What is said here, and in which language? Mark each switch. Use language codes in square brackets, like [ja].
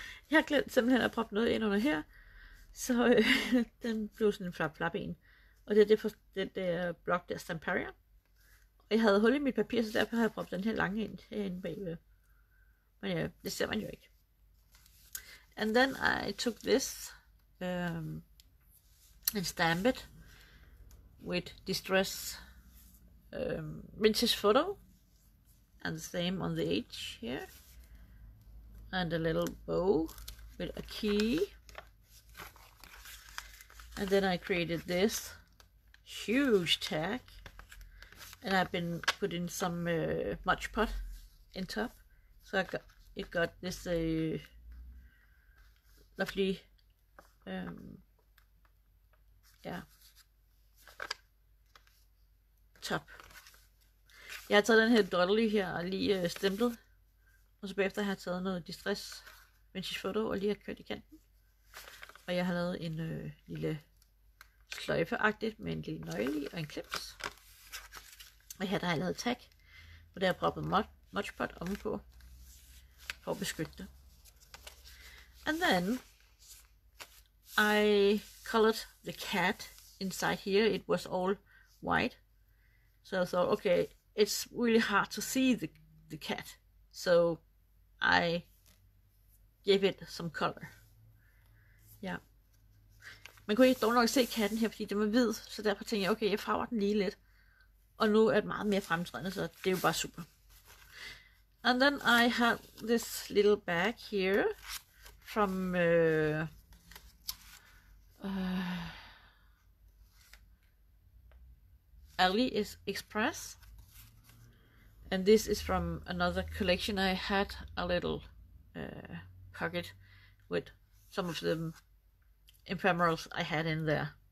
[da] Jeg har glemt simpelthen at proppe noget ind under her. Så den blev sådan en flap en. Og det er det for det der blok der Stamparia. Og jeg havde hul i mit papir, så derfor havde jeg proppet den her lange ind herinde bagved. Men ja, det ser man jo ikke. [en] And then I took this and stamped it with distress vintage photo. And the same on the edge here. And a little bow with a key. And then I created this huge tag, and I've been putting some Mod Podge in top, so I got it got this lovely top. [da] Jeg har taget den her dolly her og lige stemplet, og så bagefter har jeg taget noget distress vintage photo og lige har kørt i kanten, og jeg har lavet en lille sløjfeagtigt med en lille nøgle og en clips. Og her der har jeg lavet tag, hvor der har proppet Mod Podge ovenpå for at beskytte det. [en] And then I colored the cat inside here. It was all white. So I thought, okay, it's really hard to see the cat. So I gave it some color. Ja. [da] Man kunne ikke dog nok se katten her, fordi den var hvid. Så derfor tænkte jeg, okay, jeg farver den lige lidt. Og nu er det meget mere fremtrædende, så det er jo bare super. [en] And then I have this little bag here from AliExpress. And this is from another collection. I had a little pocket with some of the ephemerals I had in there.